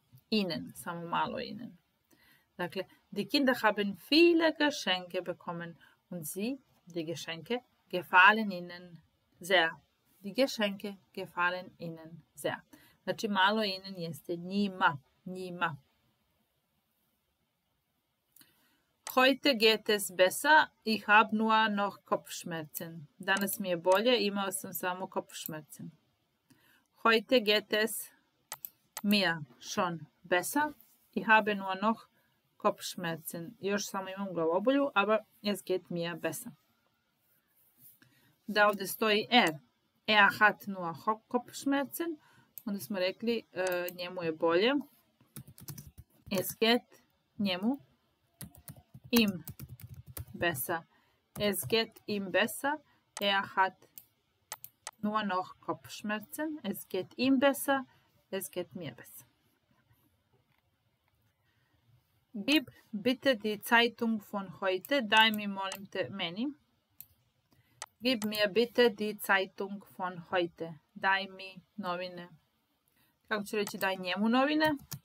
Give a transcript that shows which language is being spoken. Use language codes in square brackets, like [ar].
[de] Ihnen, [sr] samo malo [de] ihnen. Dakle, die Kinder haben viele Geschenke bekommen und sie, die Geschenke, gefallen ihnen sehr. Die Geschenke gefallen ihnen sehr. [sr] Znači, malo ihnen jeste njima, njima. [de] Heute geht es besser, ich habe nur noch Kopfschmerzen. [sr] Danas mi je bolje, imao sam samo Kopfschmerzen. [de] Heute geht es mir schon besser, ich habe nur noch Kopfschmerzen. [sr] Još samo imam glavobolju, [de] aber es geht mir besser. [sr] Da ovde stoji er. [de] Er hat nur Kopfschmerzen. [sr] Onda smo rekli, njemu je bolje. [de] Es geht [sr] njemu. [de] Im besser. Es geht ihm besser. Er hat nur noch Kopfschmerzen. Es geht ihm besser. Es geht mir besser. Gib bitte die Zeitung von heute. [sr] Daj mi molim te meni. [de] Gib mir bitte die Zeitung von heute. [sr] Daj mi novine. Kako ću reći daj njemu novine?